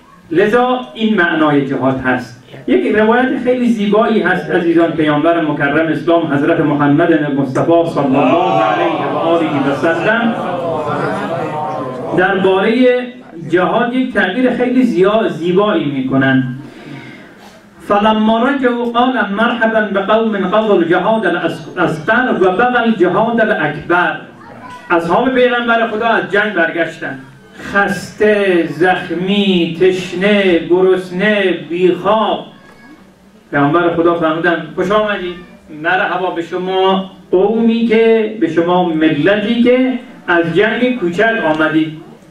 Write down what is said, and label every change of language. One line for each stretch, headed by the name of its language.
Persian: لذا این معنای جهاد هست. یک روایت خیلی زیبایی هست عزیزان پیامبر مکرم اسلام حضرت محمد مصطفی صلی الله علیه و آله و سلم درباره جهاد یک تعبیر خیلی زیبایی میکنند.
Arabic: فلما رجعوا قال مرحبا بقوم قضوا الجهاد الاصغر وبغى الجهاد الاكبر.
Persian: اصحاب پیغمبر خدا از جنگ برگشتند، خسته، زخمی، تشنه، گرسنه، بیخواب. پیغمبر خدا فرمودند خوش آمدید، مرحبا به شما قومی که، به شما ملتی که از جنگ کوچک آمدید.